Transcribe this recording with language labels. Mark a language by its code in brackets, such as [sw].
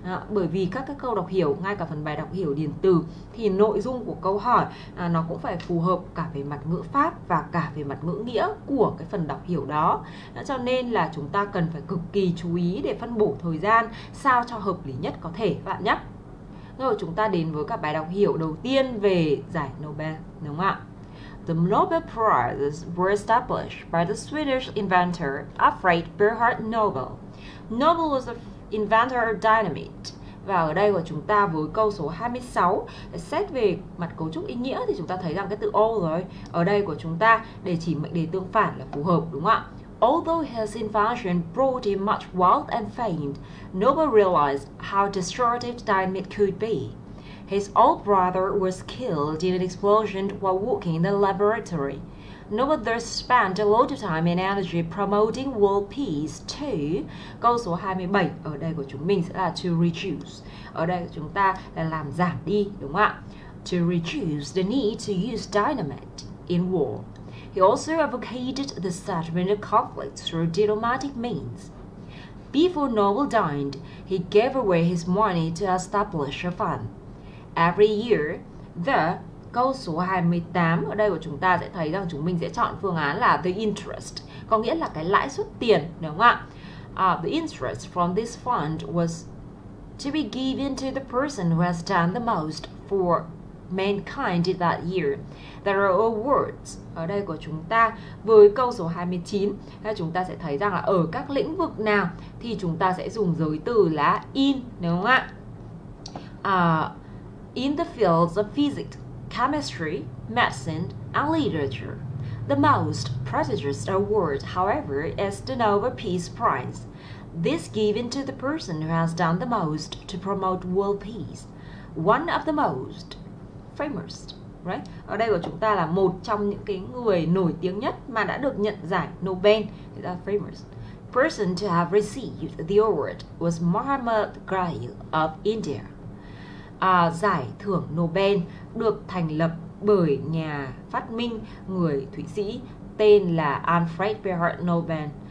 [vi] Bởi vì các cái câu đọc hiểu, ngay cả phần bài đọc hiểu điền từ thì nội dung của câu hỏi nó cũng phải phù hợp cả về mặt ngữ pháp và cả về mặt ngữ nghĩa của cái phần đọc hiểu đó. Cho nên là chúng ta cần phải cực kỳ chú ý để phân bổ thời gian sao cho hợp lý nhất có thể các bạn nhé. Rồi chúng ta đến với cả bài đọc hiểu đầu tiên về giải Nobel, đúng không ạ? [en] The Nobel Prizes were established by the Swedish inventor Alfred Bernhard Nobel. Nobel was the inventor of dynamite. [vi] Và ở đây của chúng ta với câu số 26, xét về mặt cấu trúc ý nghĩa thì chúng ta thấy rằng cái từ all rồi ở đây của chúng ta để chỉ mệnh đề tương phản là phù hợp, đúng không ạ? [en] Although his invention brought him much wealth and fame, Nobel realized how destructive dynamite could be. His old brother was killed in an explosion while working in the laboratory. know what they spend a lot of time and energy promoting world peace to? [vi] Câu số 27 ở đây của chúng mình sẽ là to reduce. Ở đây chúng ta là làm giảm đi, đúng không ạ? [en] To reduce the need to use dynamite in war. He also advocated the settlement of conflicts through diplomatic means. Before Noble died, he gave away his money to establish a fund. Every year, the [vi] câu số 28 ở đây của chúng ta sẽ thấy rằng chúng mình sẽ chọn phương án là [en] the interest, [vi] có nghĩa là cái lãi suất tiền, đúng không ạ? [en] The interest from this fund was to be given to the person who has done the most for mankind in that year. There are awards. [vi] Ở đây của chúng ta với câu số 29, chúng ta sẽ thấy rằng là ở các lĩnh vực nào thì chúng ta sẽ dùng giới từ là in, đúng không ạ? [en] In the fields of physics, chemistry, medicine, and literature. The most prestigious award, however, is the Nobel Peace Prize. This given to the person who has done the most to promote world peace. One of the most famous, right? [vi] Ở đây của chúng ta là một trong những cái người nổi tiếng nhất mà đã được nhận giải Nobel, [en] the famous person to have received the award was Mohammad Gail of India. [vi] Giải thưởng Nobel được thành lập bởi nhà phát minh người Thụy Sĩ tên là Alfred Bernhard Nobel.